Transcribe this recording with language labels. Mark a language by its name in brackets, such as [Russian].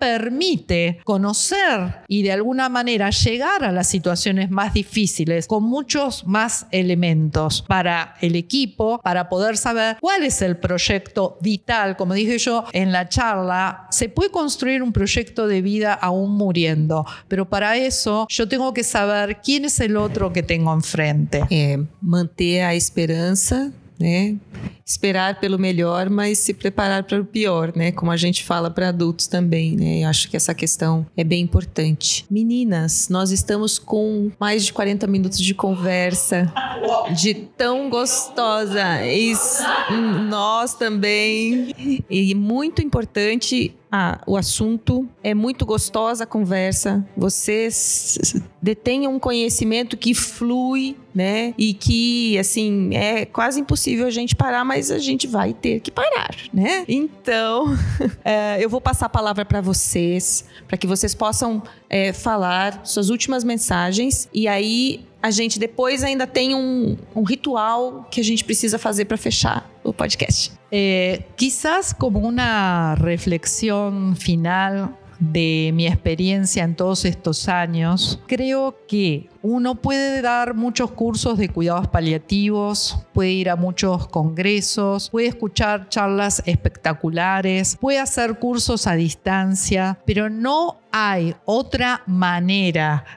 [Spanish] permite conocer y de alguna manera llegar a las situaciones más difíciles con muchos más elementos para el equipo, para poder saber cuál es el proyecto vital. Como dije yo en la charla, se puede construir un proyecto de vida aún muriendo, pero para eso yo tengo que saber quién es el otro que tengo enfrente. [Portuguese] Manter a esperanza, né? Esperar pelo melhor, mas se preparar para o pior, né? Como a gente fala para adultos também, né? Eu acho que essa questão é bem importante. Meninas, nós estamos com mais de 40 minutos de conversa, de tão gostosa. E nós também. E muito importante, o assunto. É muito gostosa a conversa. Vocês detêm um conhecimento que flui, né? E que, assim, é quase impossível a gente parar, mas a gente vai ter que parar, né? Então, eu vou passar a palavra para vocês, para que vocês possam falar suas últimas mensagens. E aí, a gente depois ainda tem um ritual que a gente precisa fazer para fechar o podcast. [Spanish] Quizás como uma reflexão final de mi experiencia en todos estos años, creo que uno puede dar muchos cursos de cuidados paliativos, puede ir a muchos congresos, puede escuchar charlas espectaculares, puede hacer cursos a distancia, pero no hay otra manera